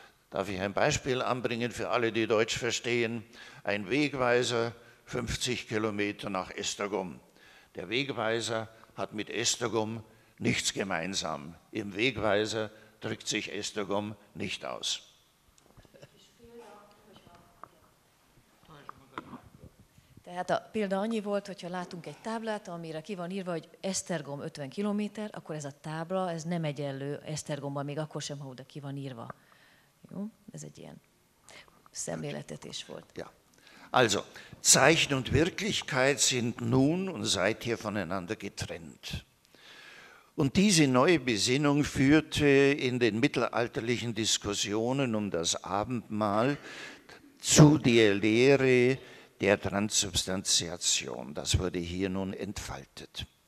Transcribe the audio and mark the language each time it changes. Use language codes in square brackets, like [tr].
[de] Darf ich ein Beispiel anbringen für alle, die Deutsch verstehen? Ein Wegweiser, 50 Kilometer nach Estergom. Der Wegweiser hat mit Estergom nichts gemeinsam. Im Wegweiser drückt sich Estergom nicht aus. [hu] Tehát a példa annyi volt, hogyha látunk egy táblát, amire ki van írva, hogy Esztergom 50 kilométer, akkor ez a tábla, ez nem egyenlő Esztergomban, még akkor sem, ha oda ki van írva. Jó? Ez egy ilyen szemléletetés volt. [de] Ja. Also, Zeichen und Wirklichkeit sind nun und seither voneinander getrennt. Und diese neue Besinnung führte in den mittelalterlichen Diskussionen um das Abendmahl zu der Lehre der Transsubstantiation, das wurde hier nun entfaltet.